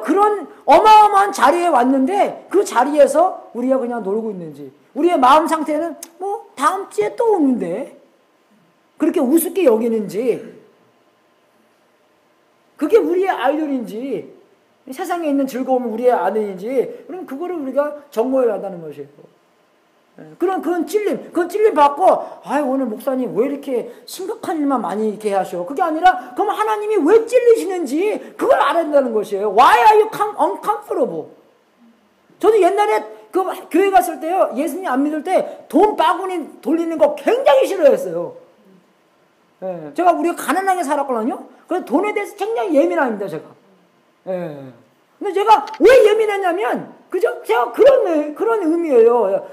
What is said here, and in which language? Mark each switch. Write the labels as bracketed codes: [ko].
[ko] 그런 어마어마한 자리에 왔는데 그 자리에서 우리가 그냥 놀고 있는지 우리의 마음 상태는 뭐 다음 주에 또 오는데 그렇게 우습게 여기는지 그게 우리의 아이돌인지 세상에 있는 즐거움은 우리의 아들인지 그럼 그거를 우리가 정모해야 한다는 것이에요. 그럼 그건 찔림. 그건 찔림 받고 아유 오늘 목사님 왜 이렇게 심각한 일만 많이 이렇게 하셔. 그게 아니라 그럼 하나님이 왜 찔리시는지 그걸 알아야 된다는 것이에요. [en] Why are you uncomfortable? [ko] 저도 옛날에 그 교회 갔을 때요. 예수님 안 믿을 때 돈 바구니 돌리는 거 굉장히 싫어했어요. 제가 우리 가난하게 살았거든요. 그래서 돈에 대해서 굉장히 예민합니다. 제가. 예. 근데 제가 왜 예민했냐면, 그죠? 제가 그런 의미예요.